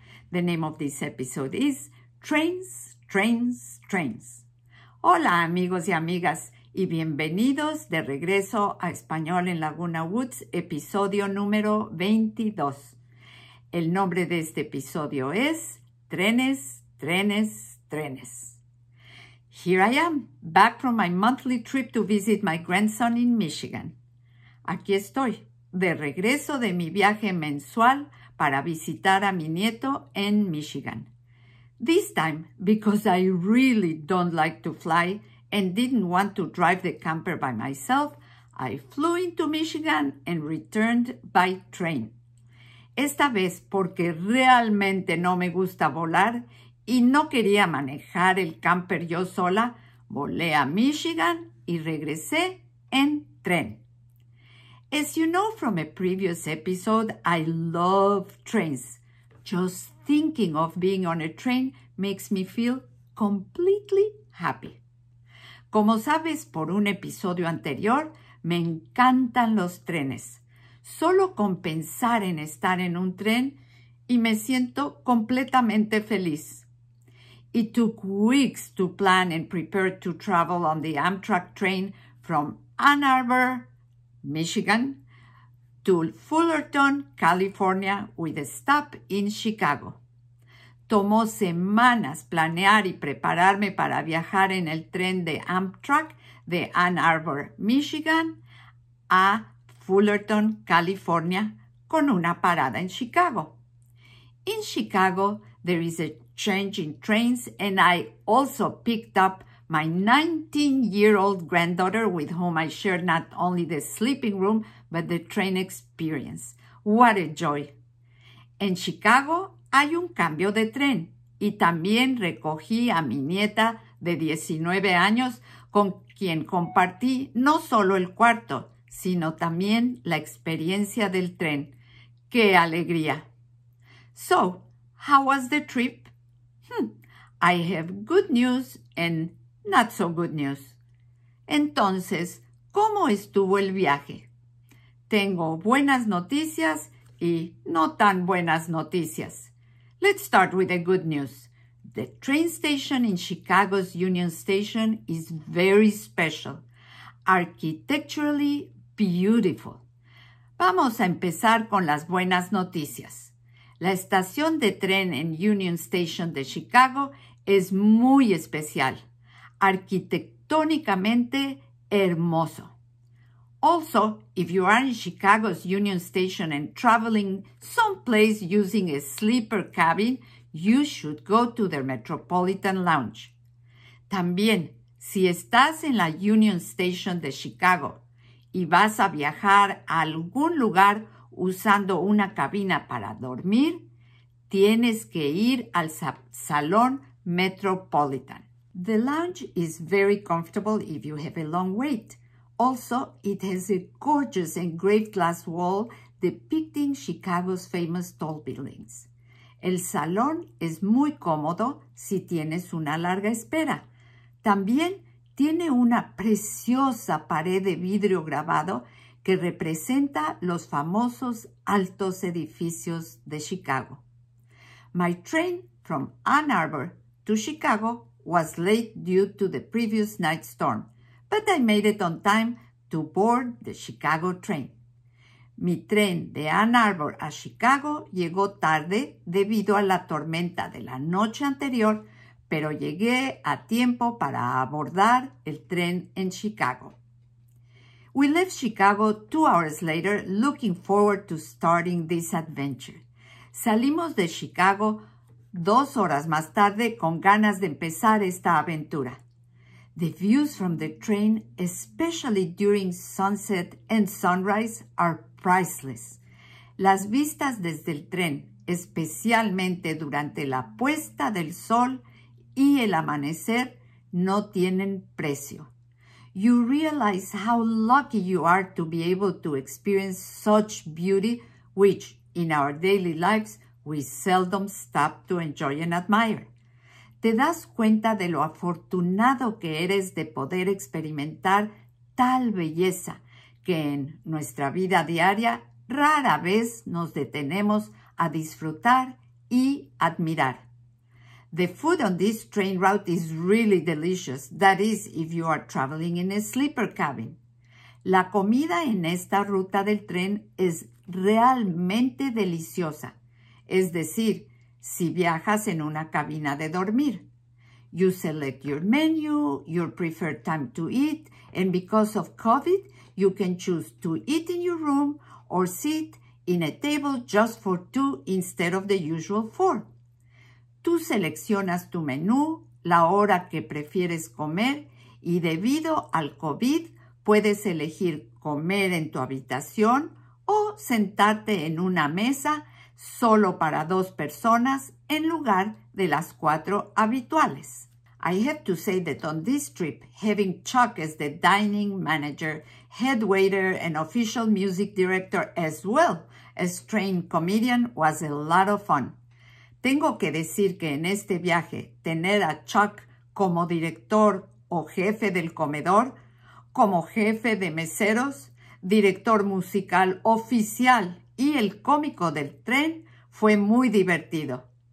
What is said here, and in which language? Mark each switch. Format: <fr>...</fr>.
<en>The name of this episode is Trains, Trains, Trains.</en> <es>Hola amigos y amigas, y bienvenidos de regreso a Espanol en Laguna Woods, episodio número 22. El nombre de este episodio es Trenes, Trenes, Trenes.</es> <en>Here I am, back from my monthly trip to visit my grandson in Michigan.</en> <es>Aquí estoy, de regreso de mi viaje mensual para visitar a mi nieto en Michigan.</es> <en>This time, because I really don't like to fly and didn't want to drive the camper by myself, I flew into Michigan and returned by train.</en> <es>Esta vez porque realmente no me gusta volar y no quería manejar el camper yo sola, volé a Michigan y regresé en tren.</es> <en>As you know from a previous episode, I love trains. Just thinking of being on a train makes me feel completely happy.</en> <es>Como sabes por un episodio anterior, me encantan los trenes. Solo con pensar en estar en un tren y me siento completamente feliz.</es> <en>It took weeks to plan and prepare to travel on the Amtrak train from Ann Arbor, Michigan, to Fullerton, California, with a stop in Chicago.</en> <es>Tomó semanas planear y prepararme para viajar en el tren de Amtrak de Ann Arbor, Michigan, a Fullerton, California, con una parada en Chicago.</es> <en>In Chicago, there is a change in trains, and I also picked up my 19-year-old granddaughter with whom I shared not only the sleeping room, but the train experience. What a joy!</en> <es>En Chicago, hay un cambio de tren, y también recogí a mi nieta de 19 años con quien compartí no solo el cuarto, sino también la experiencia del tren. ¡Qué alegría!</es> <en>So, how was the trip? I have good news and not so good news.</en> <es>Entonces, ¿cómo estuvo el viaje? Tengo buenas noticias y no tan buenas noticias.</es> <en>Let's start with the good news. The train station in Chicago's Union Station is very special, architecturally beautiful.</en> <es>Vamos a empezar con las buenas noticias. La estación de tren en Union Station de Chicago es muy especial, arquitectónicamente hermoso.</es> <en>Also, if you are in Chicago's Union Station and traveling someplace using a sleeper cabin, you should go to their Metropolitan Lounge.</en> <es>También, si estás en la Union Station de Chicago y vas a viajar a algún lugar usando una cabina para dormir, tienes que ir al Salón Metropolitan.</es> <en>The lounge is very comfortable if you have a long wait. Also, it has a gorgeous engraved glass wall depicting Chicago's famous tall buildings.</en> <es>El salón es muy cómodo si tienes una larga espera. También tiene una preciosa pared de vidrio grabado que representa los famosos altos edificios de Chicago.</es> <en>My train from Ann Arbor to Chicago was late due to the previous night storm, but I made it on time to board the Chicago train.</en> <es>Mi tren de Ann Arbor a Chicago llegó tarde debido a la tormenta de la noche anterior, pero llegué a tiempo para abordar el tren en Chicago.</es> <en>We left Chicago 2 hours later, looking forward to starting this adventure.</en> <es>Salimos de Chicago 2 horas más tarde con ganas de empezar esta aventura.</es> <en>The views from the train, especially during sunset and sunrise, are priceless.</en> <es>Las vistas desde el tren, especialmente durante la puesta del sol y el amanecer, no tienen precio.</es> <en>You realize how lucky you are to be able to experience such beauty, which in our daily lives, we seldom stop to enjoy and admire.</en> <es>Te das cuenta de lo afortunado que eres de poder experimentar tal belleza que en nuestra vida diaria rara vez nos detenemos a disfrutar y admirar.</es> <en>The food on this train route is really delicious, that is, if you are traveling in a sleeper cabin.</en> <es>La comida en esta ruta del tren es realmente deliciosa, es decir, si viajas en una cabina de dormir.</es> <en>You select your menu, your preferred time to eat, and because of COVID, you can choose to eat in your room or sit in a table just for two instead of the usual four.</en> <es>Tú seleccionas tu menú, la hora que prefieres comer, y debido al COVID, puedes elegir comer en tu habitación o sentarte en una mesa solo para dos personas en lugar de las cuatro habituales.</es> <en>I have to say that on this trip, having Chuck as the dining manager, head waiter, and official music director as well as trained comedian was a lot of fun.</en> <es>Tengo que decir que en este viaje, tener a Chuck como director o jefe del comedor, como jefe de meseros, director musical oficial y el cómico del tren fue muy divertido.</es>